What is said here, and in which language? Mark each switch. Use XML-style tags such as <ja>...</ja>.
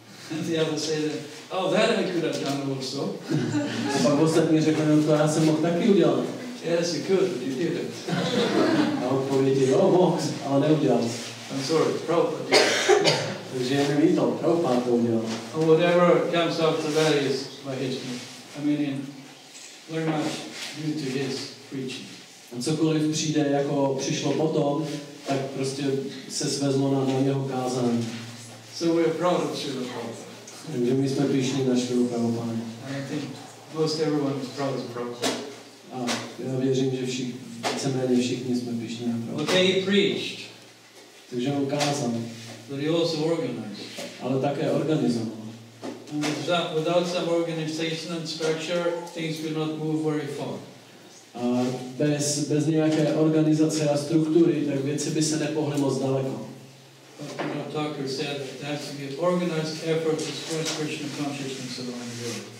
<en>Then and the others say that, oh, that I could have done also.</en> <cs>A pak ostatní řekne, to já jsem mohl taky udělat.</cs> <en>Yes, you could, but you didn't.</en> <cs>A odpovědi, jo, mohl, ale neudělal.</cs> <en>I'm sorry, Prabhupada.</en> <cs>Takže je mi líto, Prabhupada to udělal.</cs> <en>And whatever comes after that is by his name. I mean, very much due to his preaching.</en> <cs>A cokoliv přijde, jako přišlo potom, tak prostě se svezlo na jeho kázání.</cs> <en>So we are proud of Srila Prabhupada.</en> <cs>Takže my jsme pyšní na Srilu Prabhupada.</cs> <en>And I think most everyone is proud of Prabhupada.</en> <cs>A já věřím, že víceméně všichni jsme pyšní na Prabhupada.</cs> <en>Okay, he preached.</en> <cs>Takže on kázal.</cs> <en>But he also organized.</en> <cs>Ale také organizoval.</cs> <en>Without some organization and structure, things will not move very far.</en> <cs>A bez nějaké organizace a struktury, tak věci by se nepohly moc daleko.</cs> <en>Prabhupada Thakur said that there has to be an organized effort to spread Krishna consciousness around the world.</en>